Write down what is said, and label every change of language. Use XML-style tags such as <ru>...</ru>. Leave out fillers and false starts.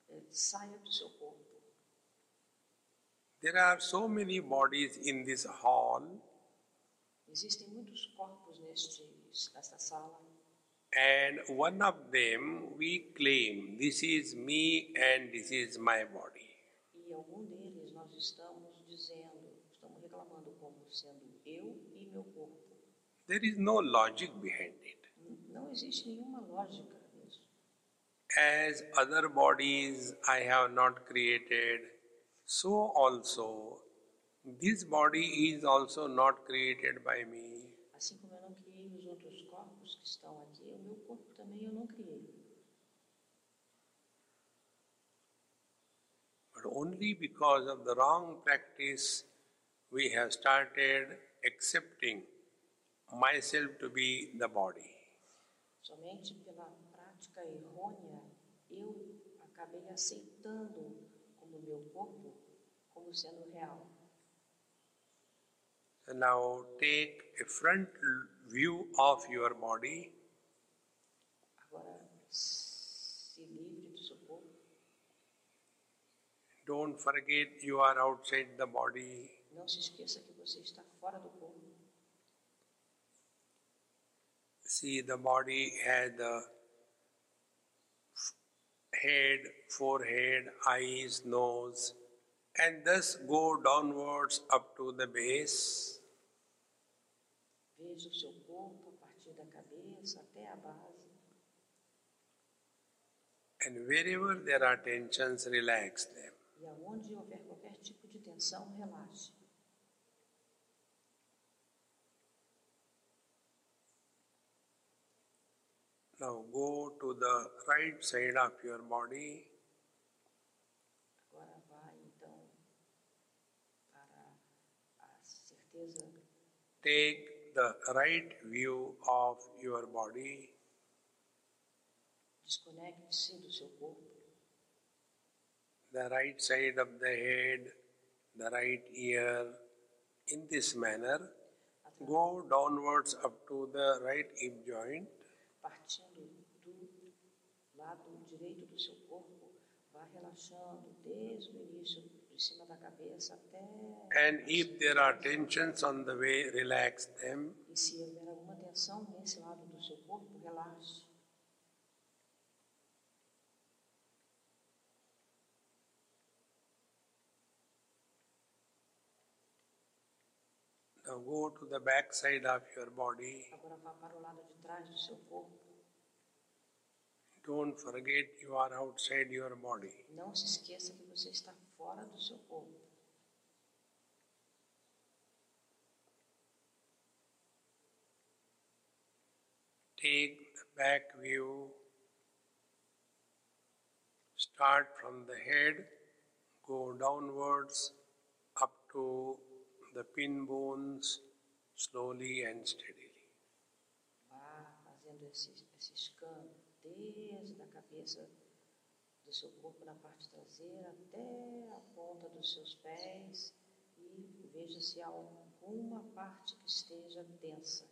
<pt>Saia do seu corpo.</pt> <en>There are so many bodies in this hall.</en> <pt>Existem muitos corpos nesta sala.</pt> <en>And one of them we claim this is me and this is my body.</en> <pt>E algum deles nós estamos dizendo, estamos reclamando como sendo eu e meu corpo.</pt> <en>There is no logic behind it.</en> <pt>Não existe nenhuma lógica nisso.</pt> <en>as other bodies I have not created, so also this body is also not created by me.</en> <pt>Assim como eu não criei os outros corpos que estão aqui, o meu corpo também eu não criei.</pt> <en>But only because of the wrong practice we have started accepting myself to be the body.</en> <pt>Somente pela prática errônea eu acabei aceitando como meu corpo como sendo real.</pt> <en>Now take a front view of your body.</en> <pt>Agora se livre do seu corpo.</pt> <en>Don't forget you are outside the body.</en> <pt>Não se esqueça que você está fora do corpo.</pt> <en>See, the body has the head, forehead, eyes, nose, and thus go downwards up to the base.</en> <pt>Veja o seu corpo a partir da cabeça até a base.</pt> <en>And wherever there are tensions, relax them.</en> <pt>E aonde houver qualquer tipo de tensão, relaxe.</pt> <en>Now go to the right side of your body.</en> <pt>Agora vá então para a certeza.</pt> <en>Take the right view of your body.</en> <pt>Desconecte-se do seu corpo.</pt> <en>The right side of the head, the right ear, in this manner. Go downwards up to the right hip joint.</en> <pt>Partindo do lado direito do seu corpo, vá relaxando desde o início, de cima da cabeça até...</pt> <en>And if there are tensions on the way, relax them.</en> <pt>E se houver alguma tensão nesse lado do seu corpo, relaxe.</pt> <en>Now go to the back side of your body.</en> <pt>Agora vá para o lado de trás do seu corpo.</pt> <en>Don't forget you are outside your body.</en> <pt>Não se esqueça que você está fora do seu corpo.</pt> <en>Take the back view. Start from the head. Go downwards up to the pin bones slowly and steadily.</en> <pt>Vá fazendo esse scan. Desde a cabeça do seu corpo na parte traseira até a ponta dos seus pés e veja se há alguma parte que esteja tensa.</pt>